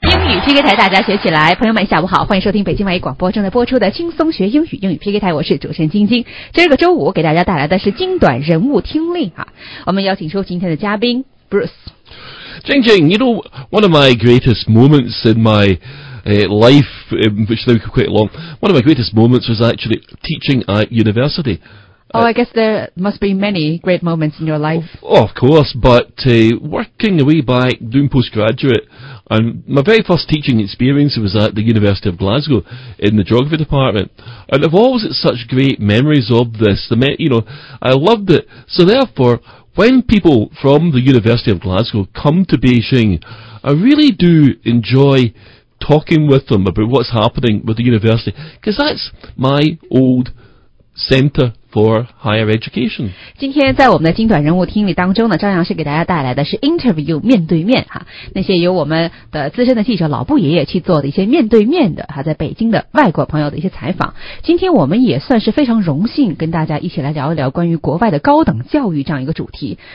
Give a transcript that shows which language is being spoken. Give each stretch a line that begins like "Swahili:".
Chinese: PK 台大家学起来，朋友们下午好，欢迎收听北京外语广播正在播出的轻松学英语英语 PK 台，我是主持人晶晶。今儿个周五给大家带来的是精短人物听力啊，我们邀请收今天的嘉宾 Bruce。
English: 晶晶， you know, one of my greatest moments in myLife, which took quite long. One of my greatest moments was actually teaching at university. Oh, I guess there must be many great moments in your life. Of course, but working away back, doing postgraduate, and my very first teaching experience was at the University of Glasgow in the Geography Department. And I've always had such great memories of this. I loved it. So therefore, when people from the University of Glasgow come to Beijing, I really do enjoy... talking with them about what's happening with the university, because that's my old centre for higher education.
Chinese: 今天在我们的精短人物听力当中呢，照样是给大家带来的是 interview 面对面哈，那些由我们的资深的记者老布爷爷去做的一些面对面的哈，在北京的外国朋友的一些采访。今天我们也算是非常荣幸跟大家一起来聊一聊关于国外的高等教育这样一个主题。